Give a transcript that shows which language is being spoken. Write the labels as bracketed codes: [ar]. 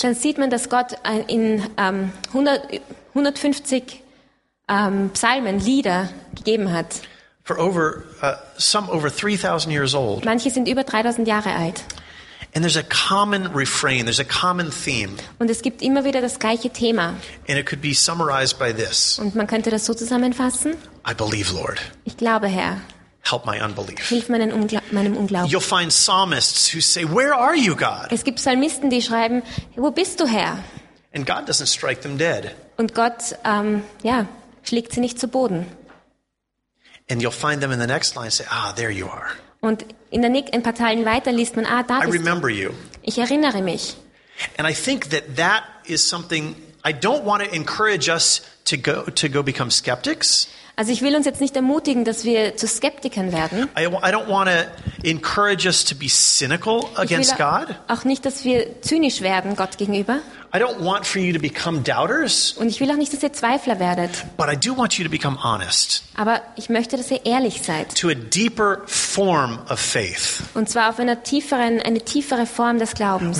[de] Dann sieht man, dass Gott in 150 Psalmen, Lieder gegeben hat. [en] For over some over 3,000 years old. [de] Manche sind über 3,000 Jahre alt. [en] And there's a common refrain. There's a common theme. [de] Und es gibt immer wieder das gleiche Thema. [en] And it could be summarized by this. [de] Und man könnte das so zusammenfassen. [en] I believe, Lord. [de] Ich glaube, Herr. [en] Help my unbelief. [de] Hilf meinem Unglauben. [en] You'll find psalmists who say, "Where are you, God?" [de] Es gibt Psalmisten, die schreiben, wo bist du, Herr? [en] And God doesn't strike them dead. [de] Und Gott, schlägt sie nicht zu Boden. [en] And you'll find them in the next line say, "Ah, there you are." [de] Und in der nächsten ein paar Zeilen weiter liest man, da bist du. [en] I remember you. [de] Ich erinnere mich. [en] And I think that is something I don't want to encourage us to go become skeptics. [de] Also ich will uns jetzt nicht ermutigen, dass wir zu Skeptikern werden. [en] I don't want to encourage us to be cynical against God. [de] Ich will auch nicht, dass wir zynisch werden Gott gegenüber. [en] I don't want for you to become doubters. [de] Und ich will auch nicht, dass ihr Zweifler werdet. [en] But I do want you to become honest. [de] Aber ich möchte, dass ihr ehrlich seid. [en] To a deeper form of faith. [de] Und zwar auf eine tiefere Form des Glaubens.